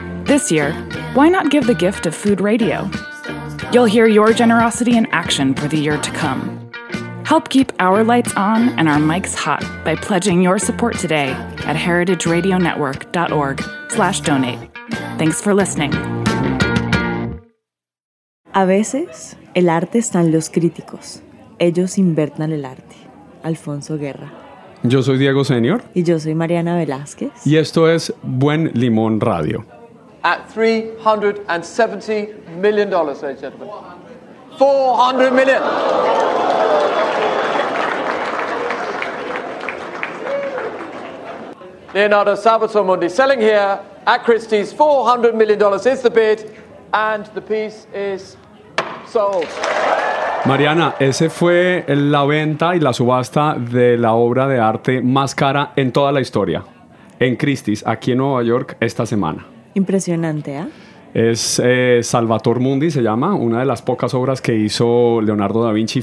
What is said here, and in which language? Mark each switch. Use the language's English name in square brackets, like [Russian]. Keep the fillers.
[English] This year, why not give the gift of food radio? You'll hear your generosity in action for the year to come. Help keep our lights on and our mics hot by pledging your support today at heritageradionetwork.org slash donate. Thanks for listening. [Spanish] A veces el arte están los críticos. Ellos invernan el arte. Alfonso Guerra. Yo soy Diego Senior Y yo soy Mariana Velázquez. y esto es Buen Limón Radio. [English] at $370 million, ladies and gentlemen. 400 million. Leonardo Salvatore Mundi selling here at Christie's. $400 million is the bid, and the piece is sold. [Spanish] Mariana, ese fue la venta y la subasta de la obra de arte más cara en toda la historia, en Christie's, aquí en Nueva York, esta semana. Impresionante, ¿ah? Es eh, Salvator Mundi, se llama, una de las pocas obras que hizo Leonardo da Vinci.